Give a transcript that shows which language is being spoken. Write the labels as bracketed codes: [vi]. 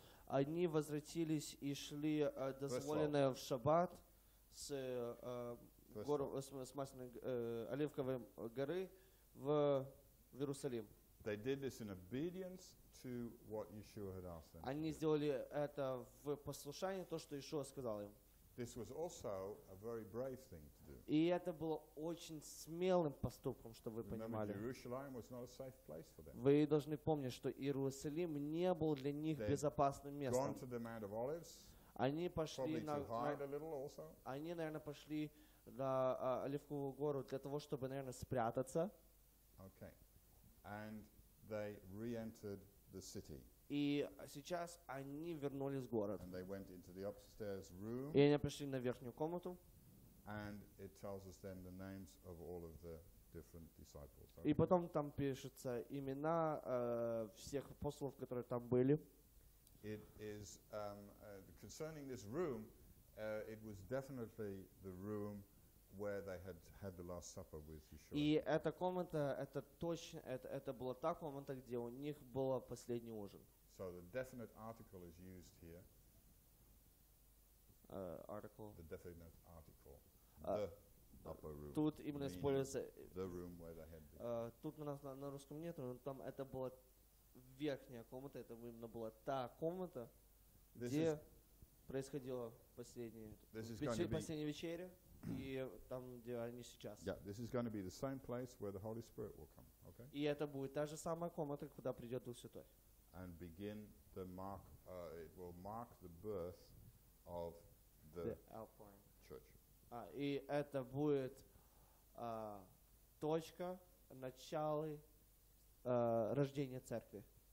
[ru] Они возвратились и шли дозволенное в Шаббат с гор с масляной оливковой горы. В Иерусалим. [en] They did this in obedience to what Yeshua had asked them. [ru] Они сделали это в послушании то, что Иешуа сказал им. [en] This was also a very brave thing to do. [ru] И это было очень смелым поступком, чтобы вы понимали. [en] Jerusalem was not a safe place for them. [ru] Вы должны помнить, что Иерусалим не был для них безопасным местом. [en] They'd gone to the Mount of Olives. [ru] Они пошли [en] probably to hide a little also. [ru] Они, наверное, пошли на Оливковую гору для того, чтобы, наверное, спрятаться. [en] Okay, and they re-entered the city. [ru] И сейчас они вернулись в город. [en] And they went into the upstairs room. [ru] И они пошли на верхнюю комнату. [en] And it tells us then the names of all of the different disciples. [ru] Okay. И потом там пишутся имена всех апостолов, которые там были. [en] It is concerning this room. It was definitely the room where they had the last supper with Yeshua. [ru] И эта комната, это точно, это была та комната, где у них был последний ужин. [en] So the definite article is used here. Article. The definite article. The upper room. [ru] Тут именно используется. [en] The room where they had been. [ru] Тут у нас на русском нету, но там это была верхняя комната, это именно была та комната, где происходило последняя вечеря. И там, где они сейчас. [en] Yeah, this is going to be the same place where the Holy Spirit will come. Okay. [ru] И это будет та же самая комната, куда придет Дух Святой. [en] And begin the mark. It will mark the birth of the outpouring church. [ru] И это будет точка начала рождения церкви.